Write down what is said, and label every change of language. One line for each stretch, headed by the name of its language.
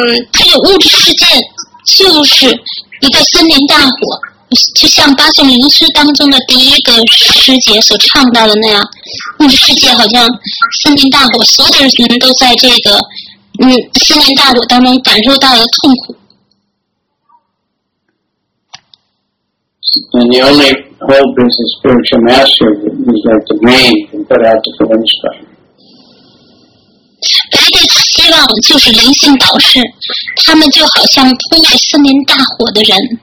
Chinese: 这个物质世界就是一个森林大火，就像巴颂林诗当中的第一个诗节所唱到的那样，物质世界好像森林大火，所有的人都在这个森林大火当中感受到了痛苦。
English: And the only hope is the spiritual master is like the main put out the flames by.
Chinese: 唯一的希望就是灵性导师，他们就好像扑灭森林大火的人。